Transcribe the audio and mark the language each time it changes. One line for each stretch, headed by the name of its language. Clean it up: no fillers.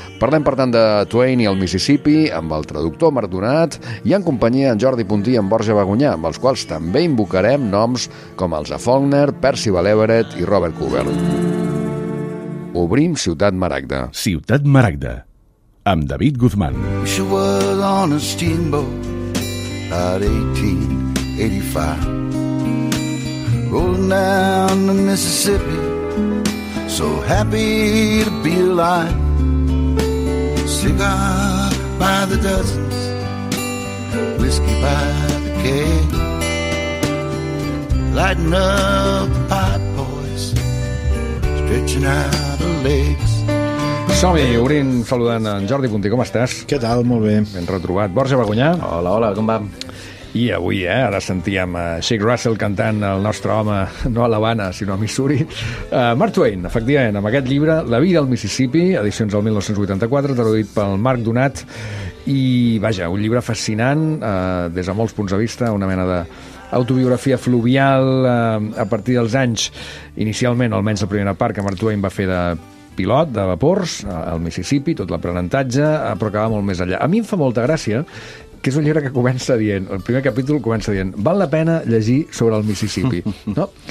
Catalan: Parlem, per tant, de Twain i el Mississippi amb el traductor Marc Donat i en companyia en Jordi Puntí i en Borja Bagunyà, amb els quals també invocarem noms com Elsa Faulkner, Percival Everett i Robert Cooper. Obrim Ciutat Maragda. Ciutat Maragda, amb David Guzmán.
English: She was on a steamboat about 1885, rolling down the Mississippi, so happy to be alive. Cigar by the dozens, whiskey by the keg, lighting up the pipe, boys, stretching out the legs.
Catalan: Som-hi, obrint, saludant en Jordi Puntí, com estàs? Què tal? Molt bé. Ben retrobat. Borja Bagunyà. Hola, hola, com va? I avui, ara sentíem a Sheik Russell cantant el nostre home, no a l'Havana, sinó a Missouri. Mark Twain, efectivament, amb aquest llibre, La vida al Mississippi, edicions del 1984, traduït pel Marc Donat, i, vaja, un llibre fascinant, des de molts punts de vista, una mena de autobiografia fluvial a partir dels anys, inicialment, almenys la primera part, que Mark Twain va fer de pilot de vapors, al Mississippi, tot l'aprenentatge, però que va molt més enllà. A mi em fa molta gràcia que és un llibre que comença dient, el primer capítol comença dient, val la pena llegir sobre el Mississippi, no?